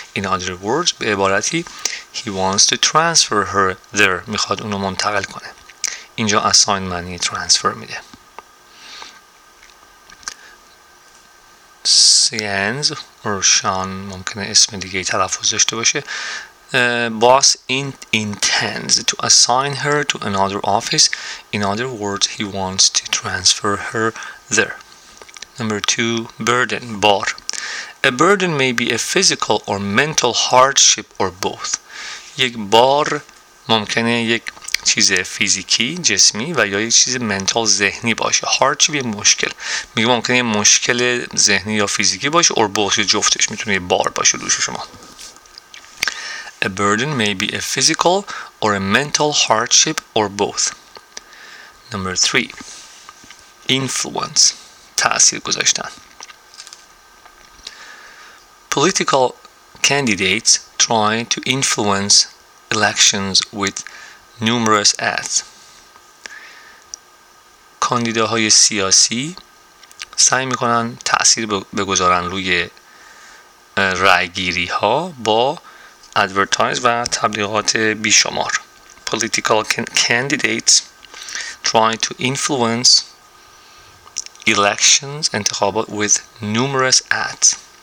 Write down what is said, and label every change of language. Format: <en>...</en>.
<en>In other words،</en> <fa>به عبارتی</fa> <en>he wants to transfer her there،</en> <fa>میخواد اونو منتقل کنه. اینجا assign معنی transfer میده. Sian's or Sean ممکنه اسم دیگه تلفظ داشته باشه.</fa> <en>Boss intends to assign her to another office. In other words, he wants to transfer her there. Number two, burden, bar. A burden may be a physical or mental hardship or both.</en> <fa>یک بار ممکنه یک چیز فیزیکی جسمی و یا یک چیز منتال ذهنی باشه. Hardship یه مشکل. میگه ممکنه یه مشکل ذهنی یا فیزیکی باشه،</fa> <en>or both،</en> <fa>جفتش میتونه یه بار باشه روش شما.</fa> <en>A burden may be a physical or a mental hardship or both. Number three, influence, تأثیر گذاشتن. Political candidates try to influence elections with numerous ads.</en> <fa>کاندیداهای سیاسی سعی میکنن تأثیر بگذارن روی رأیگیری ها با advertise و تبلیغات بیشمار.</fa> <en>Political candidates try to influence elections, انتخابات, with numerous ads.</en>